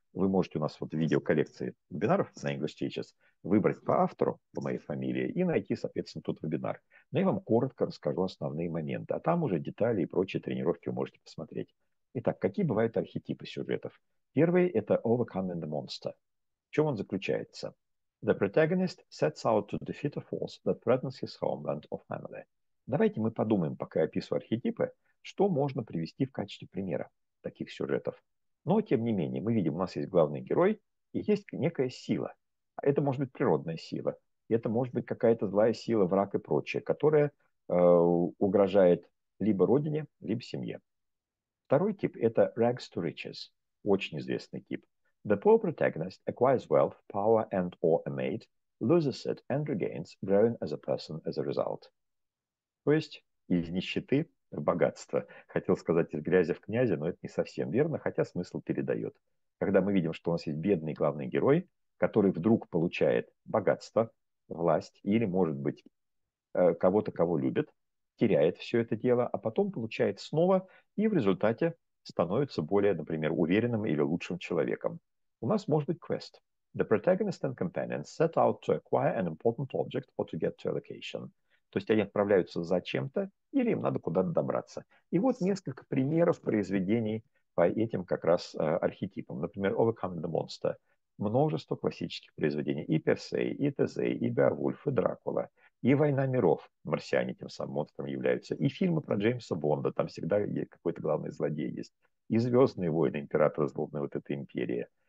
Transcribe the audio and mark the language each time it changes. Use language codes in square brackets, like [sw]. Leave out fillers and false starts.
[ru] Вы можете у нас вот в видеоколлекции вебинаров на English Teachers выбрать по автору, по моей фамилии, и найти, соответственно, тот вебинар. Но я вам коротко расскажу основные моменты, а там уже детали и прочие тренировки вы можете посмотреть. Итак, какие бывают архетипы сюжетов? Первый – это «Overcoming the Monster». В чем он заключается? [en] The protagonist sets out to defeat a force that threatens his homeland or family. [ru] Давайте мы подумаем, пока я описываю архетипы, что можно привести в качестве примера таких сюжетов. Но, тем не менее, мы видим, у нас есть главный герой, и есть некая сила. Это может быть природная сила, это может быть какая-то злая сила, враг и прочее, которая угрожает либо родине, либо семье. Второй тип – это rags to riches, очень известный тип. [en] The poor protagonist acquires wealth, power and/or a mate, loses it and regains, growing as a person as a result. [ru] То есть из нищеты в богатство. Хотел сказать из грязи в князи, но это не совсем верно, хотя смысл передает. Когда мы видим, что у нас есть бедный главный герой, который вдруг получает богатство, власть или, может быть, кого-то, кого любит, теряет все это дело, а потом получает снова и в результате становится более, например, уверенным или лучшим человеком. У нас может быть квест. [en] The protagonist and companions set out to acquire an important object or to get to a location. [ru] То есть они отправляются за чем-то или им надо куда-то добраться. И вот несколько примеров произведений по этим как раз архетипам. Например, Overcoming the Monster. Множество классических произведений. И Персей, и Тезей, и Беовульф, и Дракула. И «Война миров», марсиане тем самым монстром являются, и фильмы про Джеймса Бонда, там всегда какой-то главный злодей есть, и «Звездные войны», императора злобной вот этой империи.